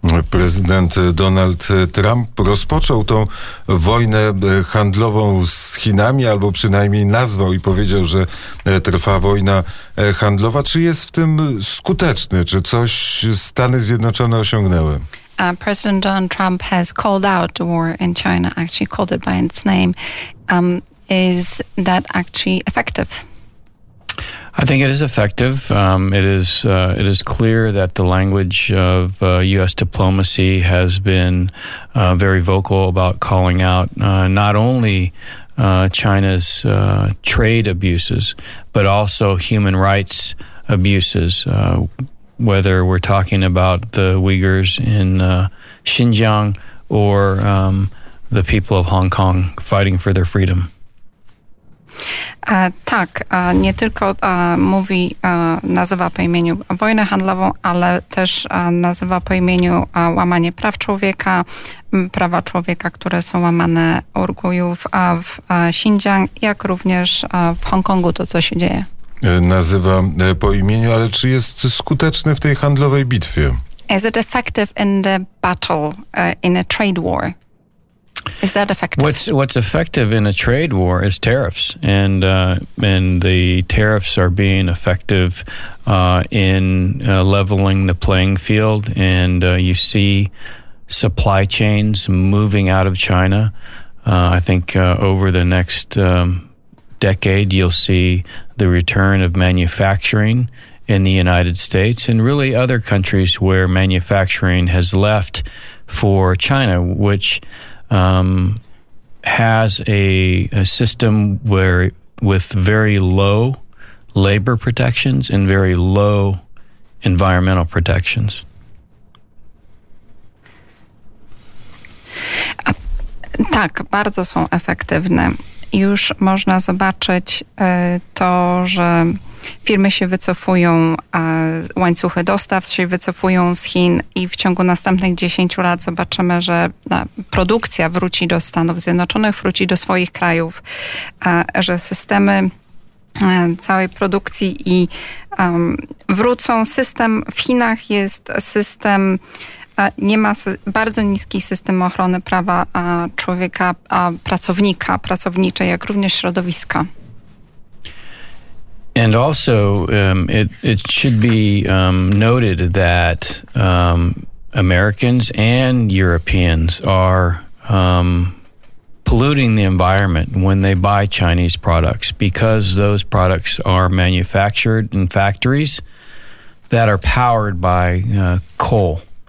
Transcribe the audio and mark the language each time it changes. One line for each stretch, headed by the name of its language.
Polish: Prezydent Donald Trump rozpoczął tą wojnę handlową z Chinami, albo przynajmniej nazwał i powiedział, że trwa wojna handlowa. Czy jest w tym skuteczny? Czy coś Stany Zjednoczone osiągnęły?
English: President Donald Trump has called out the war in China, actually called it by its name. Is that actually effective? I think it is effective. It is clear that the language of U.S. diplomacy has been very vocal about calling out not only China's trade abuses, but also human rights abuses, whether we're talking about the Uyghurs in Xinjiang or the people of Hong Kong fighting for their freedom.
Polish: Tak, nie tylko mówi, nazywa po imieniu wojnę handlową, ale też nazywa po imieniu łamanie praw człowieka, prawa człowieka, które są łamane Urgujów w Xinjiang, jak również w Hongkongu to, co się dzieje. Nazywa po imieniu, ale czy jest skuteczny w tej handlowej bitwie?
English: Is it effective in the battle, in a trade war? Is that effective? What's effective in a trade war is tariffs, and the tariffs are being effective in leveling the playing field, and you see supply chains moving out of China. I think over the next decade, you'll see the return of manufacturing in the United States and really other countries where manufacturing has left for China, which has a system where with very low labor protections and very low environmental protections.
Polish: Tak, bardzo są efektywne. Już można zobaczyć to, że firmy się wycofują, łańcuchy dostaw się wycofują z Chin i w ciągu następnych 10 lat zobaczymy, że produkcja wróci do Stanów Zjednoczonych, wróci do swoich krajów, że systemy całej produkcji i wrócą. System w Chinach jest system, nie ma bardzo niski system ochrony prawa człowieka, pracownika, pracowniczej, jak również środowiska.
English: And also, it should be noted that Americans and Europeans are polluting the environment when they buy Chinese products, because those products are manufactured in factories that are powered by coal.